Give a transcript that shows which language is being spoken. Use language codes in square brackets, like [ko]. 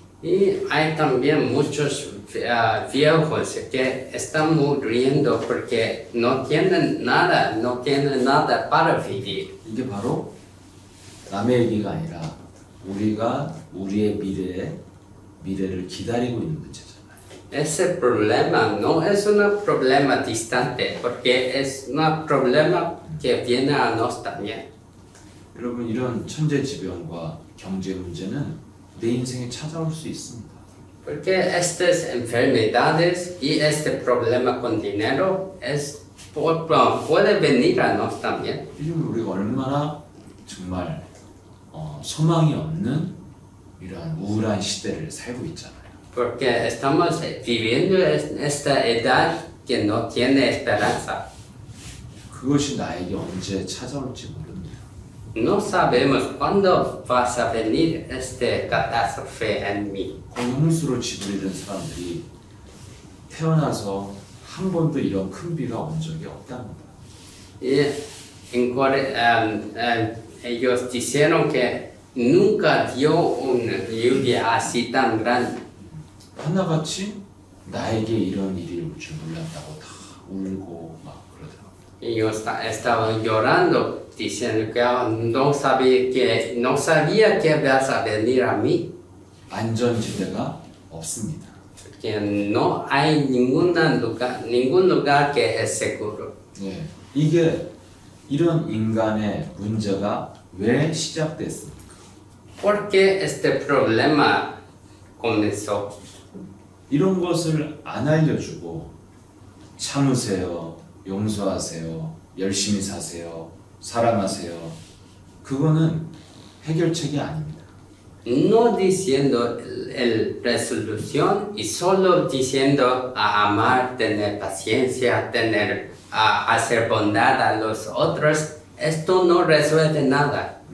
[es] Y hay también muchos viejos que están muriendo porque no tienen nada, no tienen nada para vivir. [ko] 이게 바로 남의 얘기가 아니라 우리가 우리의 미래를 기다리고 있는 문제잖아요. [es] Ese problema no es un problema distante porque es un problema que viene a nos también. [ko] 여러분 이런 천재지변과 경제 문제는 내 인생에 찾아올 수 있습니다. [es] Porque estas enfermedades y este problema con dinero es puede venir a nos también. [ko] 지금 우리가 얼마나 정말 소망이 없는 이런 우울한 시대를 살고 있잖아요. [es] Porque estamos viviendo esta edad que no tiene esperanza. [ko] 그것이 나에게 언제 찾아올지 모르. [es] No sabemos cuándo vas a venir este catástrofe en mí. [ko] 홍수로 집을 잃은 사람들이 태어나서 한 번도 이런 큰 비가 온 적이 없답니다. [es] Ellos dijeron que nunca dio una lluvia así tan grande. [ko] 하나같이 나에게 이런 일이 올 줄 몰랐다고 다 울고 막 그러더라고요. [es] Ellos estaban llorando. Diciendo que no sabía que vas a venir a mí. [ko] 안전지대가 없습니다. [es] Porque no hay ningún lugar que es seguro. [ko] 네, 이게 이런 인간의 문제가 왜 시작됐습니까? [es] Porque este problema comenzó. [ko] 이런 것을 안 알려주고 참으세요, 용서하세요, 열심히 사세요. 사랑하세요. 그거는 해결책이 아닙니다. [es] No diciendo el resolución y solo diciendo a amar, tener paciencia, tener a hacer bondad a los otros, esto no resuelve nada.